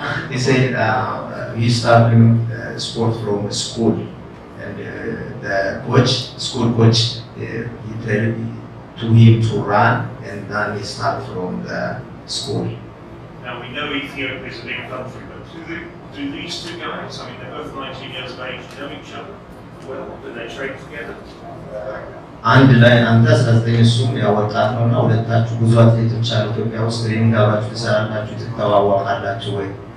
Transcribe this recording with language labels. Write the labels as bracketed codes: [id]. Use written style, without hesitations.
[en] He said he started sport from school, and the school coach he told to him to run, and then he started from the school. Now we know Ethiopia is a big country, but do these two guys, I mean they're both 19 years of age, know each other well? Do they train together? [am] አንድ ላይ አንተ ስለዚህ ሱም ያወጣት ነውና ሁለታችሁ ብዙ አትሌቶች አሉ ኢትዮጵያ ውስጥ ትሬኒንግ አብራችሁ ትሰራላችሁ ትተዋወቃላችሁ ወይ?